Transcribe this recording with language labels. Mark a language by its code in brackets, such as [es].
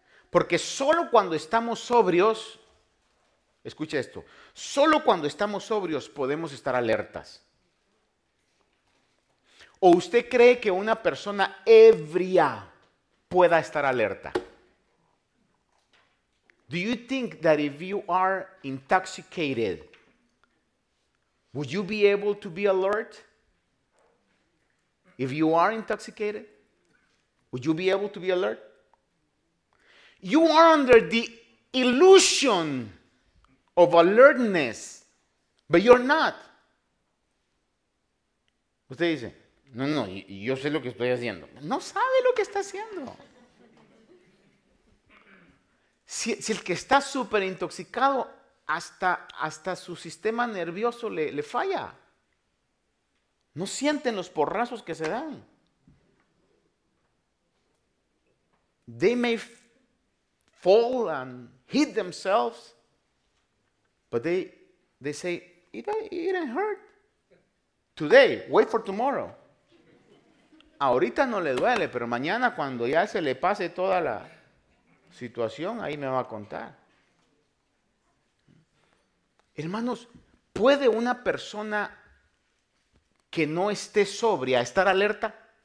[es] Porque solo cuando estamos sobrios, escucha esto, solo cuando estamos sobrios podemos estar alertas. ¿O usted cree que una persona ebria pueda estar alerta? [en] Do you think that if you are intoxicated, would you be able to be alert? If you are intoxicated, would you be able to be alert? You are under the illusion of alertness, but you're not. [es] Usted dice, no, yo sé lo que estoy haciendo. No sabe lo que está haciendo. Si el que está súper intoxicado, hasta su sistema nervioso le falla. No sienten los porrazos que se dan. [en] They may fall and hit themselves, but they say, it didn't hurt. Today, wait for tomorrow. [es] Ahorita no le duele, pero mañana cuando ya se le pase toda la situación, ahí me va a contar. Hermanos, ¿puede una persona que no esté sobria estar alerta?